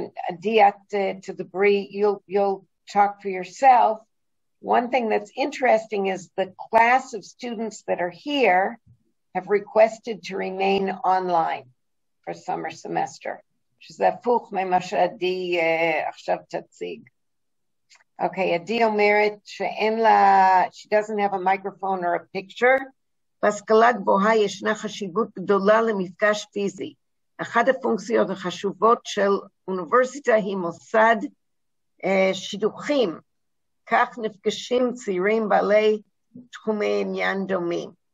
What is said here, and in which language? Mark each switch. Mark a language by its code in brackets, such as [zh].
[en] Adia, to the Brie, you'll talk for yourself. One thing that's interesting is the class of students that are here have requested to remain online for summer semester. [he] שזה הפוך ממה שעדי עכשיו תציג. [en] Okay, [he] עדי אומרת שאין לה, [en] she doesn't have a microphone or a picture. [he] בהשכלה גבוהה ישנה חשיבות גדולה למפגש פיזי. אחת הפונקציות החשובות של אוניברסיטה היא מוסד שידוכים. כך נפגשים צעירים בעלי תחומי עניין דומים.